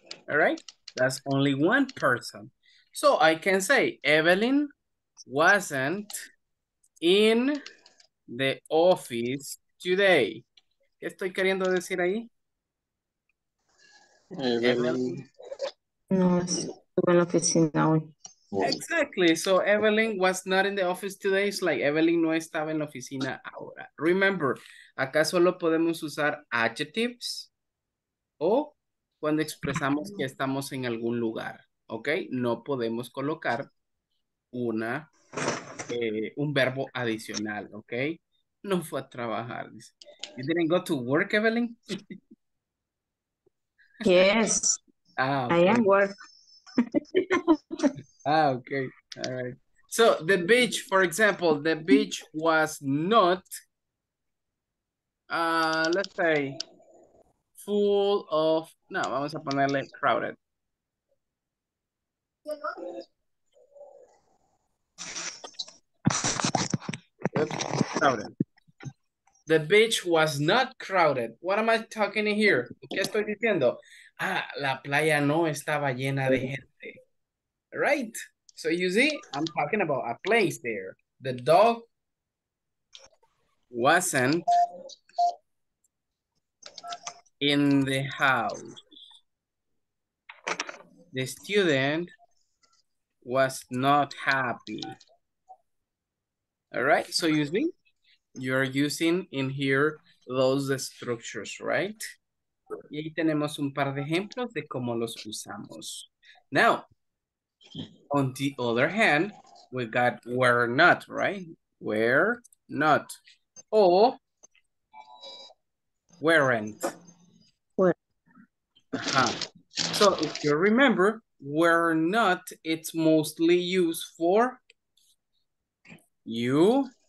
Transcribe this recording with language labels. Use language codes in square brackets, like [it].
[en] All right, that's only one person. So I can say Evelyn wasn't in the office today. [es] ¿Qué estoy queriendo decir ahí? [en] Evelyn. [es] No, estuvo en la oficina hoy. [en] Exactly. So Evelyn was not in the office today. It's like [es] Evelyn no estaba en la oficina ahora. Remember, acá solo podemos usar adjectives o cuando expresamos que estamos en algún lugar, ¿ok? No podemos colocar un verbo adicional, ¿ok? No fue a trabajar. Dice. [en] You didn't go to work, Evelyn? Yes. Ah, okay. I am work. Ah, okay. All right. So the beach, for example, the beach was not, let's say, full of, [es] no, vamos a ponerle [en] crowded. Oops, crowded. The beach was not crowded. What am I talking here? [es] ¿Qué estoy diciendo? Ah, la playa no estaba llena de gente. [en] Right? So you see, I'm talking about a place there. The dog wasn't in the house. The student was not happy. All right, so you see, you're using in here those structures, right? [es] Y ahí tenemos un par de ejemplos de cómo los usamos. [en] Now, on the other hand, we got were not, right? Were not. Or weren't. So, if you remember, were not, it's mostly used for you,